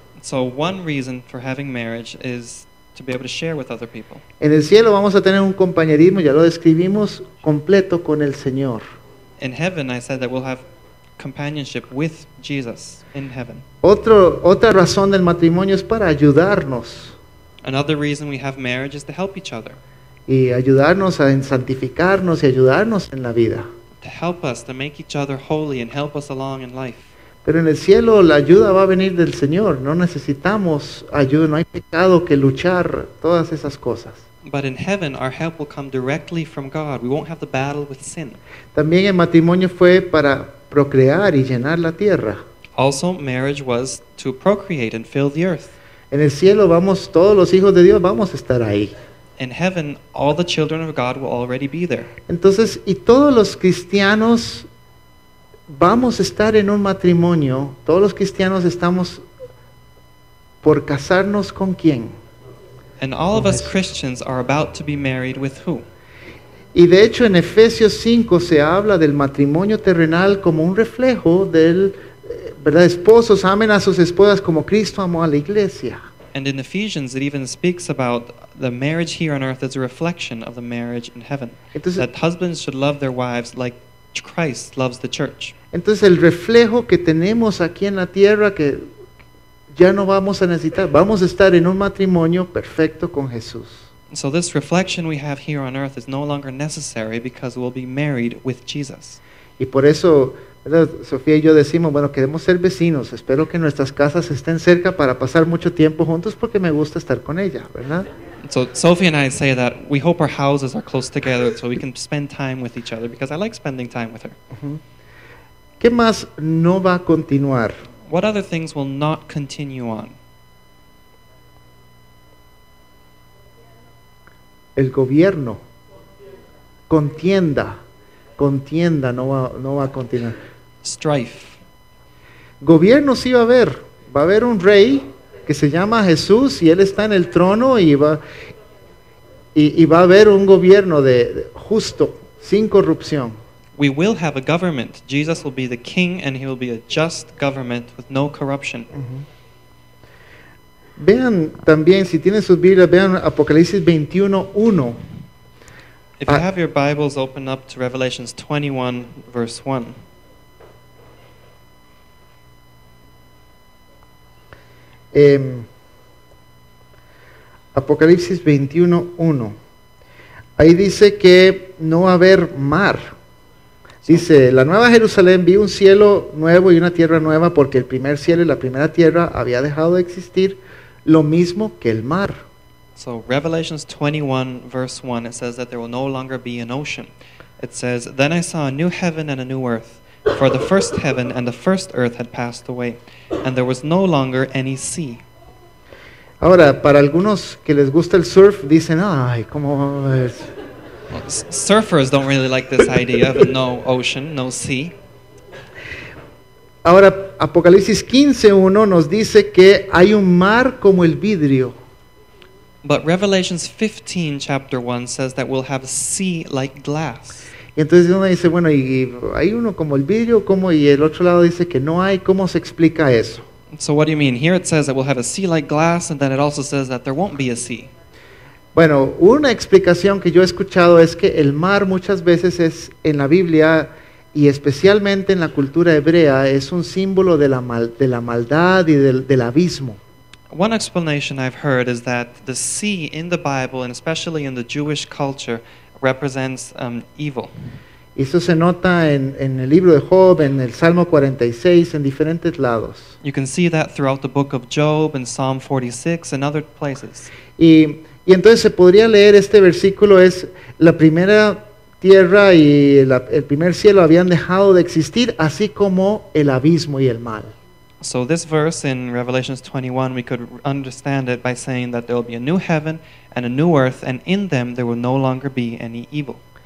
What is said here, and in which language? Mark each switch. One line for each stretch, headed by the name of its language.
English: So one reason for having marriage is to be able to share with other people.
Spanish: En el cielo vamos a tener un compañerismo, ya lo describimos, completo con el Señor.
English: In heaven, I said that we'll have companionship with Jesus in heaven.
Spanish: Otra razón del matrimonio es para ayudarnos.
English: Another reason we have marriage is to help each other.
Spanish: Y ayudarnos a santificarnos y ayudarnos en la vida.
English: To help us, to make each other holy and help us along in life.
Spanish: Pero en el cielo la ayuda va a venir del Señor. No necesitamos ayuda, no hay pecado que luchar, todas esas cosas.
English: But in heaven our help will come directly from God. We won't have to battle with sin.
Spanish: También el matrimonio fue para procrear y llenar la tierra.
English: Also marriage was to procreate and fill the earth.
Spanish: En el cielo vamos, todos los hijos de Dios vamos a estar ahí. In heaven all the children of God will already be there. Entonces, y todos los cristianos vamos a estar en un matrimonio. Todos los cristianos estamos por casarnos con quién.
English: And all of us Christians are about to be married with who?
Spanish: Y de hecho en Efesios 5 se habla del matrimonio terrenal como un reflejo del, ¿verdad? Esposos amen a sus esposas como Cristo amó a la iglesia.
English: And in Ephesians it even speaks about the marriage here on earth as a reflection of the marriage in heaven.
Spanish: Entonces,
English: that husbands should love their wives like Christ loves the church.
Spanish: Entonces el reflejo que tenemos aquí en la tierra que ya no vamos a necesitar, vamos a estar en un matrimonio perfecto con Jesús.
English: So this reflection we have here on earth is no longer necessary because we'll be married with Jesus.
Spanish: Y por eso, ¿verdad? Sofía y yo decimos, bueno, queremos ser vecinos, espero que nuestras casas estén cerca para pasar mucho tiempo juntos porque me gusta estar con ella, ¿verdad?
English: So Sophie and I say that we hope our houses are close together so we can spend time with each other because I like spending time with her.
Spanish: ¿Qué más no va a continuar?
English: What other things will not continue on?
Spanish: El gobierno. Contienda. Contienda no va a continuar.
English: Strife.
Spanish: Gobierno sí va a haber. Va a haber un rey que se llama Jesús y él está en el trono y va a haber un gobierno de justo, sin corrupción.
English: We will have a government. Jesus will be the king and he will be a just government with no corruption.
Spanish: Vean también, si tienen sus Biblias, vean Apocalipsis 21:1.
English: If you have your Bibles, open up to Revelations 21, verse 1.
Spanish: Apocalipsis 21:1. Ahí dice que no va a haber mar. Dice, la nueva Jerusalén, vi un cielo nuevo y una tierra nueva, porque el primer cielo y la primera tierra había dejado de existir, lo mismo que el mar.
English: So Revelations 21 verse 1, it says that there will no longer be an ocean. It says, then I saw a new heaven and a new earth, for the first heaven and the first earth had passed away, and there was no longer any sea.
Spanish: Ahora, para algunos que les gusta el surf, dicen, ay, ¿cómo va a haber?
English: Surfers don't really like this idea of no ocean, no sea.
Spanish: Ahora, Apocalipsis 15:1 nos dice que hay un mar como el vidrio.
English: But Revelations 15, chapter 1, says that we'll have a sea like glass.
Spanish: Y entonces uno dice, bueno, y hay uno como el vidrio, ¿cómo? Y el otro lado dice que no hay, ¿cómo se explica eso?
English: So what do you mean? Here it says that we'll have a sea like glass, and then it also says that there won't be a sea.
Spanish: Bueno, una explicación que yo he escuchado es que el mar muchas veces es en la Biblia y especialmente en la cultura hebrea es un símbolo de la maldad y del abismo.
English: One explanation I've heard is that the sea in the Bible and especially in the Jewish culture represents evil.
Spanish: Eso se nota en el libro de Job, en el Salmo 46, en diferentes lados.
English: You can see that throughout the book of Job and Psalm 46 and other places.
Spanish: Y entonces se podría leer este versículo, es la primera tierra y el primer cielo habían dejado de existir, así como el abismo y el mal.
English: So this verse in Revelation 21, we could understand it by saying that there will be a new heaven and a new earth, and in them there will no longer be any evil.